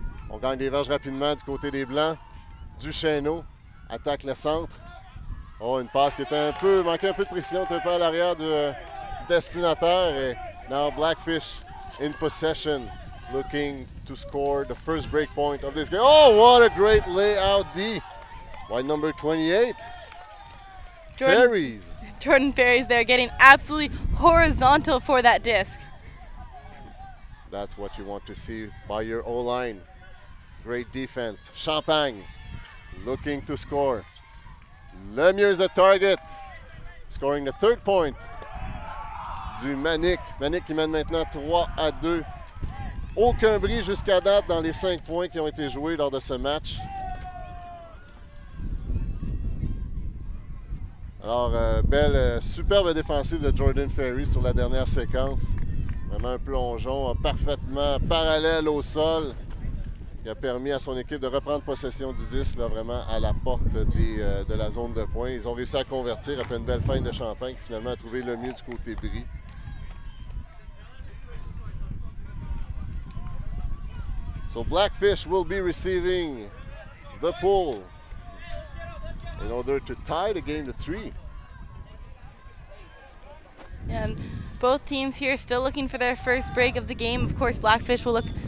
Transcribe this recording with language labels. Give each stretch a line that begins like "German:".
French: On gagne des verges rapidement du côté des Blancs. Duchesneau attaque le centre. Oh, une passe qui était un peu, manquait un peu de précision, un peu à l'arrière du destinataire.
English: Et now Blackfish in possession, looking to score the first break point of this game. Oh, what a great layout D by number 28. Ferries. Jordan Ferries there getting absolutely horizontal for that disc. That's what you want to see by your O-line. Great defense. Champagne looking to score. Lemieux is the target, scoring the third point
French: du
English: Manic.
French: Manic qui mène maintenant 3-2. Aucun bris jusqu'à date dans les 5 points qui ont été joués lors de ce match. Alors, belle, superbe défensive de Jordan Ferry sur la dernière séquence. Vraiment un plongeon parfaitement parallèle au sol. Il a permis à son équipe de reprendre possession du disque, là, vraiment à la porte de la zone de points. Ils ont réussi à convertir après une belle fin de Champagne qui finalement a trouvé le mieux du côté Brie.
English: So Blackfish will be receiving the pull in order to tie the game to 3. And both teams here still looking for their first break of the game. Of course, Blackfish will look